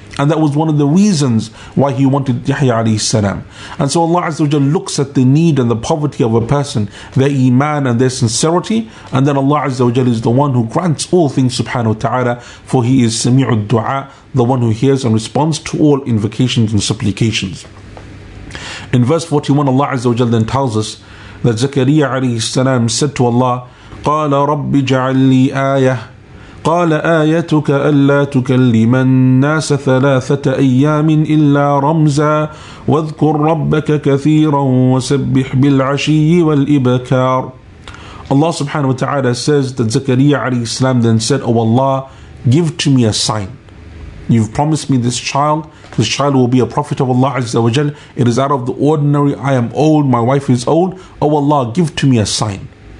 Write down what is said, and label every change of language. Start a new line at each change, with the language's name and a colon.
English: And that was one of the reasons why he wanted Yahya alayhi salam. And so Allah Azza wa Jal looks at the need and the poverty of a person, their iman and their sincerity, and then Allah Azza wa Jal is the one who grants all things subhanahu wa ta'ala, for He is sami'u al-du'a, the one who hears and responds to all invocations and supplications. In verse 41, Allah Azza wa Jal then tells us that Zakariya alayhi salam said to Allah,
Arabic: قَالَ رَبِّ جَعَلْنِي آيَةً قال آيتك ألا تكلم الناس ثلاثة أيام إلا رمزا واذكر ربك كثيرا وسبح بالعشي والإبكار.
English: Allah subhanahu wa ta'ala says that Zakariya alayhi salam then said, O Allah, give to me a sign. You've promised me this child. This child will be a prophet of Allah Azza wa Jal. It is out of the ordinary. I am old. My wife is old. O Allah, give to me a sign.